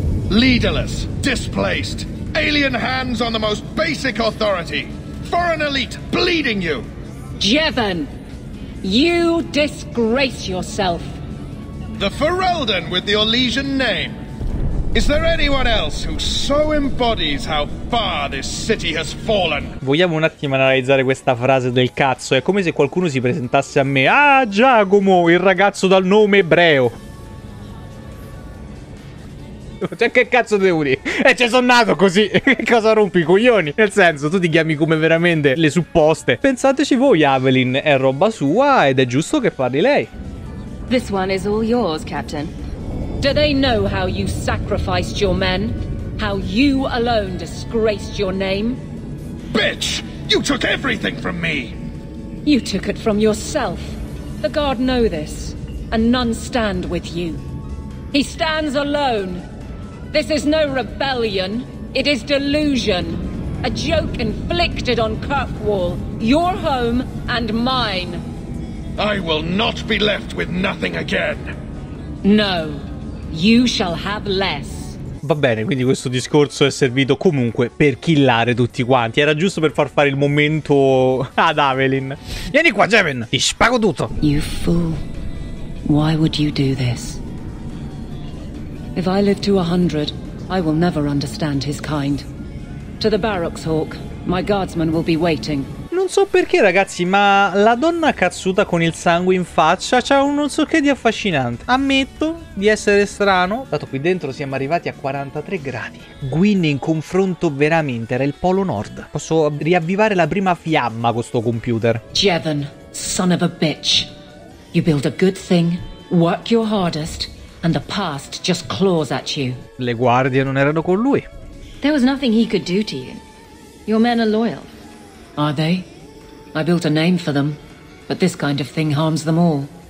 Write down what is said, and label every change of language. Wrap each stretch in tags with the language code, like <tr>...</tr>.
<en>Leaderless, displaced, alien hands on the most basic authority. Foreign elite bleeding you. Jevon, you disgrace yourself. The Ferelden with the Orlesian name. Is there anyone else who so embodies how far this city has fallen?</en> <it>Vogliamo un attimo analizzare questa frase del cazzo. È come se qualcuno si presentasse a me. Ah, Giacomo, il ragazzo dal nome ebreo. Cioè, che cazzo devo dire? Cioè, sono nato così. Cosa rompi i coglioni? Nel senso, tu ti chiami come veramente le supposte. Pensateci voi, Avelyn è roba sua ed è giusto che parli lei.</it> <en>This one is all yours, Captain. Do they know how you sacrificed your men? How you alone disgraced your name? Bitch! You took everything from me! You took it from yourself. The guard know this, and none stand with you. He stands alone. This is no rebellion. It is delusion. A joke inflicted on Kirkwall, your home and mine. I will not be left with nothing again. No, you shall have less.</en> <it>Va bene, quindi questo discorso è servito comunque per killare tutti quanti. Era giusto per far fare il momento ad Avelyn. Vieni qua, Jemen, ti spago tutto.</it> <en>You fool. Why would you do this? If I live to 100, I will never understand his kind. To the barracks, Hawk. My guardsmen will be waiting.</en> <it>Non so perché, ragazzi, ma la donna cazzuta con il sangue in faccia c'ha un non so che di affascinante. Ammetto di essere strano. Dato qui dentro siamo arrivati a 43 gradi. Gwyn in confronto veramente era il polo nord. Posso riavvivare la prima fiamma con sto computer.</it> <en>Jevon, son of a bitch. You build a good thing, work your hardest, and the past just claws at you.</en> <it>Le guardie non erano con lui.</it> <en>There was nothing he could do to you. Your men are loyal. Are they? I built a name for them, but this kind of thing harms them all.</en>